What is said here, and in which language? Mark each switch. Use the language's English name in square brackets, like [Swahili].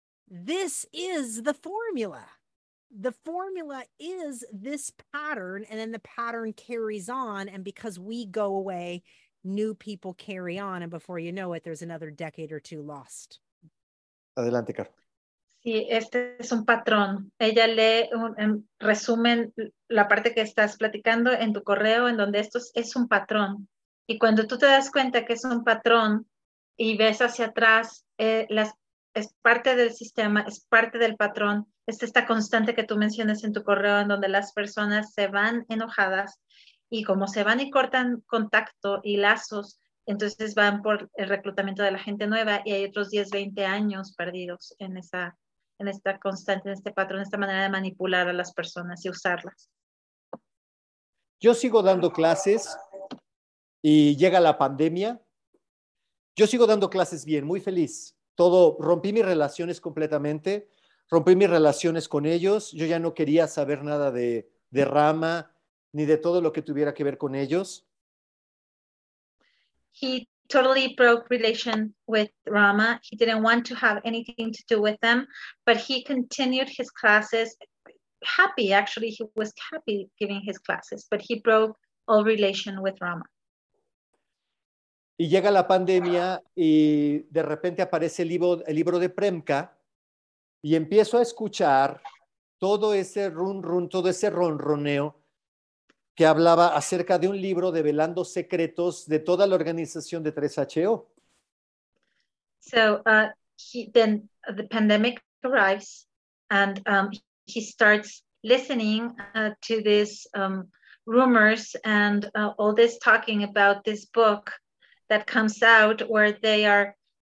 [English] This is the formula. The formula is this pattern, and then the pattern carries on. And because we go away, new people carry on. And before you know it, there's another decade or two lost. [Spanish] Adelante, Carl. Sí, este es un patrón. Ella lee en resumen la parte que estás platicando en tu correo, en donde esto es un patrón. Y cuando tú te das cuenta que es un patrón y ves hacia atrás, es parte del sistema, es parte del patrón. Es esta constante que tú mencionas en tu correo, en donde las personas se van enojadas y como se van y cortan contacto y lazos, Entonces van por el reclutamiento de la gente nueva y hay otros 10, 20 años perdidos en esa, en esta constante, en este patrón, en esta manera de manipular a las personas y usarlas. Yo sigo dando clases y llega la pandemia. Yo sigo dando clases bien, muy feliz. Todo, rompí mis relaciones completamente, rompí mis relaciones con ellos. Yo ya no quería saber nada de Rama ni de todo lo que tuviera que ver con ellos. [English] He totally broke relation with Rama. He didn't want to have anything to do with them, but he continued his classes happy. Actually, he was happy giving his classes, but he broke all relation with Rama. [Spanish] Y llega la pandemia y de repente aparece el libro de Premka y empiezo a escuchar todo ese run, todo ese ronroneo que hablaba acerca de un libro develando secretos de toda la organización de 3HO. [English] So then the pandemic arrives and he starts listening to these rumors and all this talking about this book that comes out where they are